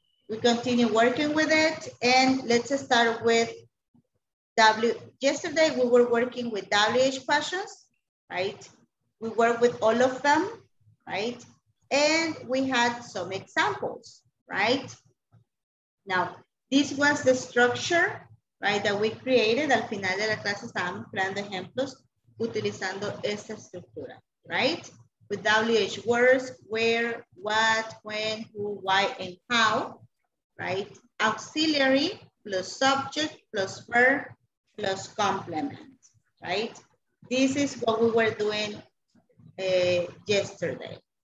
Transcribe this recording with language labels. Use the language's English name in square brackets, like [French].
[English] We continue working with it. And let's start with W. Yesterday, we were working with WH questions, right? We worked with all of them, right? And we had some examples, right? Now, this was the structure, right, that we created. [Spanish] Al final de la clase estábamos creando ejemplos utilizando esta estructura, right? [English] With WH words, where, what, when, who, why, and how, right? Auxiliary plus subject plus verb plus complement, right? This is what we were doing yesterday.